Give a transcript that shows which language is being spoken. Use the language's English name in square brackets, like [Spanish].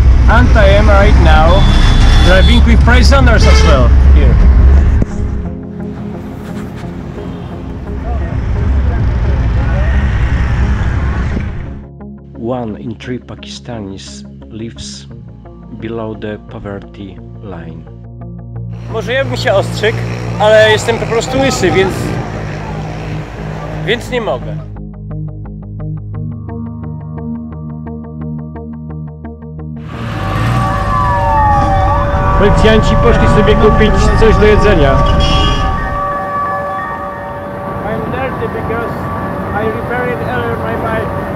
[English] And I am right now driving with prisoners as well here. One in three Pakistanis lives below the poverty line. [Polish] Może ja bym się ostrzykł, ale jestem po prostu łysy, więc nie mogę. Policjanci poszli sobie kupić coś do jedzenia. [English] I'm dirty because I repaired earlier my bike.